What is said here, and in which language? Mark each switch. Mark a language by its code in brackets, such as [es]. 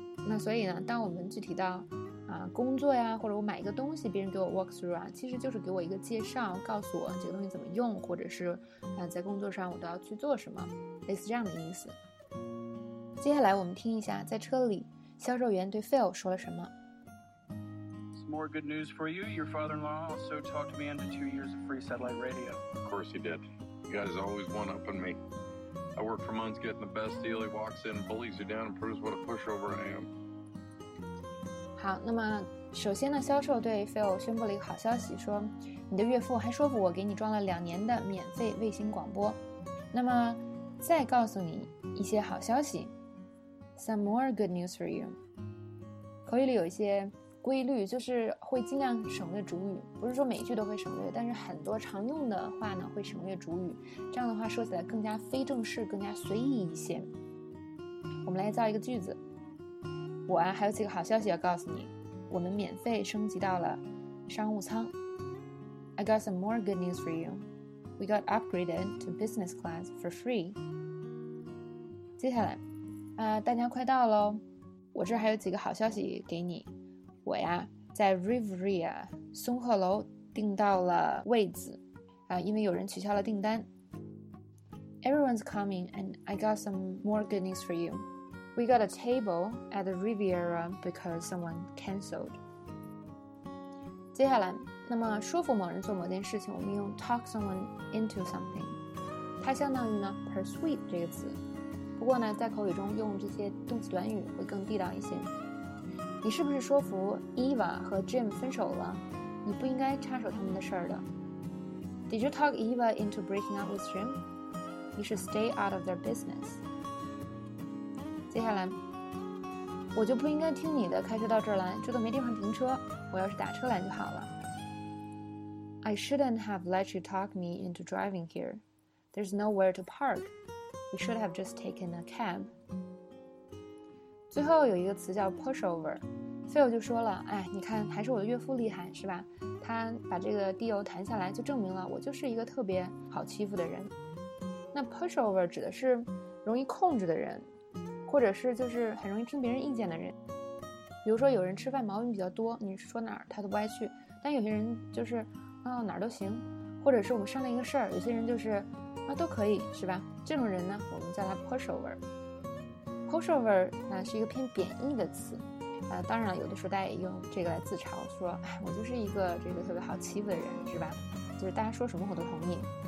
[zh] 那所以呢，当我们具体到工作呀，或者我买一个东西，别人给我 walk through 啊，其实就是给我一个介绍，告诉我这个东西怎么用，或者是在工作上我都要去做什么，类似这样的意思。接下来我们听一下在车里销售员对 Phil 说了什么。 [en] Some more good news for you. Your father-in-law also talked me into 2 years of free satellite radio. Of course he did. You guys always one-upping me. I work for months getting the best deal. He walks in, bullies you down, and proves what a pushover I am. [zh] 好，那么首先呢，销售对 Phil 宣布了一个好消息，说你的岳父还说服我给你装了2年的免费卫星广播。那么再告诉你一些好消息 ， [en] some more good news for you. [zh] 口语里有一些规律，就是会尽量省略主语，不是说每一句都会省略，但是很多常用的话呢会省略主语，这样的话说起来更加非正式，更加随意一些。我们来造一个句子，我啊还有几个好消息要告诉你，我们免费升级到了商务舱。 [en] I got some more good news for you. We got upgraded to business class for free. [zh] 接下来大家快到喽，我这还有几个好消息给你，我呀在 Riviera 松鹤楼订到了位子因为有人取消了订单。 [en] Everyone's coming and I got some more good news for you. We got a table at the Riviera because someone cancelled. [zh] 接下来，那么说服某人做某件事情，我们用 [en] talk someone into something， [zh] 它相当于呢 persuade 这个词，不过呢在口语中用这些动词短语会更地道一些。你是不是说服 Eva 和 Jim 分手了？你不应该插手他们的事儿的。 [en] Did you talk Eva into breaking up with Jim? You should stay out of their business. [zh] 接下来，我就不应该听你的，开车到这儿来，这都没地方停车，我要是打车来就好了。 [en] I shouldn't have let you talk me into driving here. There's nowhere to park. We should have just taken a cab. [zh] 最后有一个词叫 pushover， Phil 就说了，哎，你看还是我的岳父厉害是吧，他把这个 deal 谈下来就证明了我就是一个特别好欺负的人。那 pushover 指的是容易控制的人，或者是就是很容易听别人意见的人，比如说有人吃饭毛病比较多，你说哪儿他都不爱去，但有些人就是哪儿都行，或者是我们商量一个事儿，有些人就是都可以是吧，这种人呢我们叫他 pushoverPushover 是一个偏贬义的词当然了有的时候大家也用这个来自嘲，说我就是一个这个特别好欺负的人是吧，就是大家说什么我都同意。